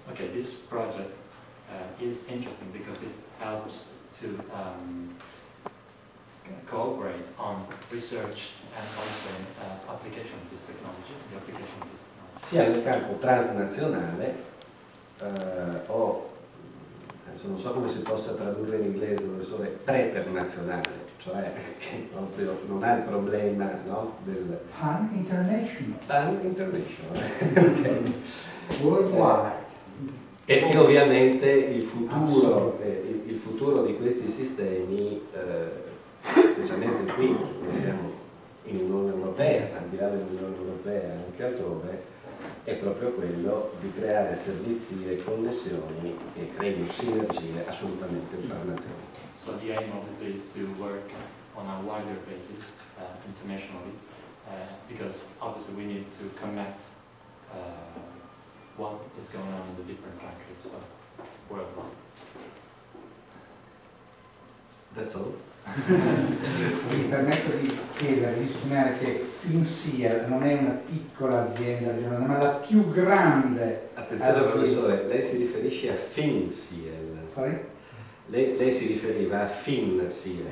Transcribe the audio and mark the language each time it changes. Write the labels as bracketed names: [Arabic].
[English] Okay, this project is interesting because it helps to cooperate on research and also in application of this technology, the application of this technology. [Italian] Sia nel campo transnazionale o adesso non so come si possa tradurre in inglese, professore, preternazionale, cioè che proprio non ha il problema, no, del [English] pan-international. Okay. Worldwide. [Italian] E che ovviamente il futuro di questi sistemi specialmente qui, noi siamo in Unione Europea, al di là dell'Unione Europea e anche altrove, è proprio quello di creare servizi e connessioni che creino sinergie assolutamente transnazionali. [English] So the aim obviously is to work on a wider basis internationally, because obviously we need to connect what is going on in the different countries, so worldwide. That's all. [Italian] Mi permetto di chiedere, di sognare che FinSIA non è una piccola azienda, ma la più grande. Attenzione azienda. Professore, lei si riferisce a FinSIA. [English] Sorry? [Italian] Lei si riferiva a FinSIA.